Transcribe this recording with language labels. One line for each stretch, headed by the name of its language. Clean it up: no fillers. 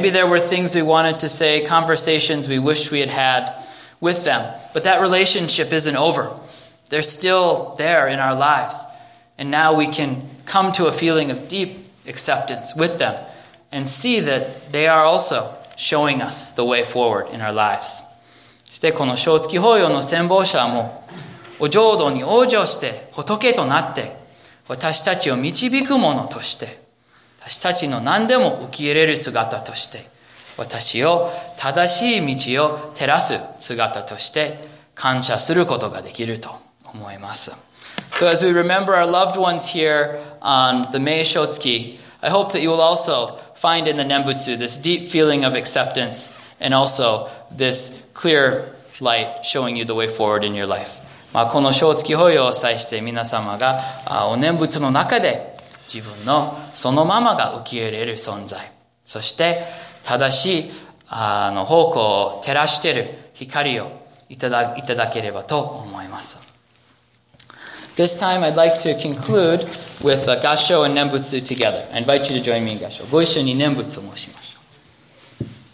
English: Maybe there were things we wanted to say, conversations we wished we had had with them, but that relationship isn't over. They're still there in our lives. And now we can come to a feeling of deep acceptance with them and see that they are also showing us the way forward in our lives.
Japanese: そしてこの正月法要の先方者も、お浄土に往生して仏となって、私たちを導く者として、私たちの何でも受け入れる姿として、私を正しい道を照らす姿として感謝することができると思います。
English: So as we remember our loved ones here on the Mei Shotsuki, I hope that you will also find in the Nembutsu this deep feeling of acceptance and also this clear light showing you the way forward in your life.
Japanese: まあ、この正月法要を際して皆様がお念仏の中で自分のそのままが受け入れる存在。そして正しい方向を照らしている光をいただければと思います。
English: This time I'd like to conclude with a gassho and nembutsu together. I invite you to join me in gassho.
Japanese: ご一緒に念仏を申しましょう。